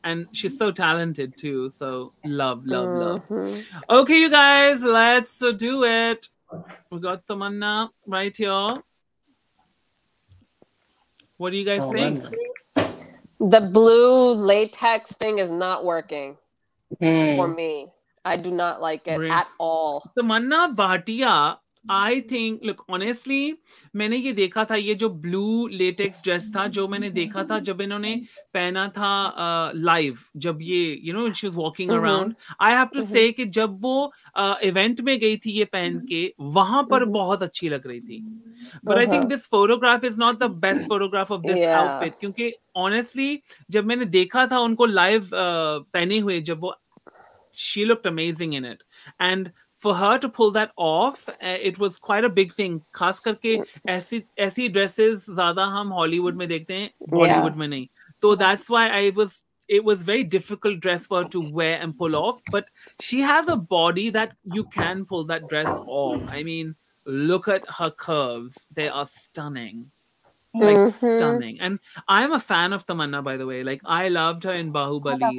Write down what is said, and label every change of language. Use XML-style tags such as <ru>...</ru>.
<en>And she's so talented too. So love. Okay, you guys, let's do it. We got Tamanna right here. What do you guys think? Man. The blue latex thing is not working for me. I do not like it at all.</en> <hi>So Manna Bhatia,</hi> <en>I think, look, honestly,</en> <hi>मैंने ये देखा था, ये जो blue latex dress था, जो मैंने देखा था, जब इन्होंने पहना था live, जब ये,</hi> <en>you know, when she was walking around, I have to say</en> <hi>कि जब वो event में गई थी ये पहन के, वहाँ पर बहुत अच्छी लग रही थी.</hi> <en>But I think this photograph is not the best photograph of this outfit,</en> <hi>क्योंकि</hi> <en>honestly,</en> <hi>जब मैंने देखा था उनको live पहने हुए, जब वो,</hi> <en>she looked amazing in it, and for her to pull that off, it was quite a big thing.</en> <hi>खास करके ऐसी dresses ज़्यादा हम Hollywood में देखते हैं, Bollywood में नहीं.</hi> <en>So that's why I was it was very difficult dress for her to wear and pull off, but she has a body that you can pull that dress off. I mean, look at her curves. They are stunning. Like, mm-hmm. stunning. And I'm a fan of Tamanna, by the way. Like, I loved her in Bahubali.</en>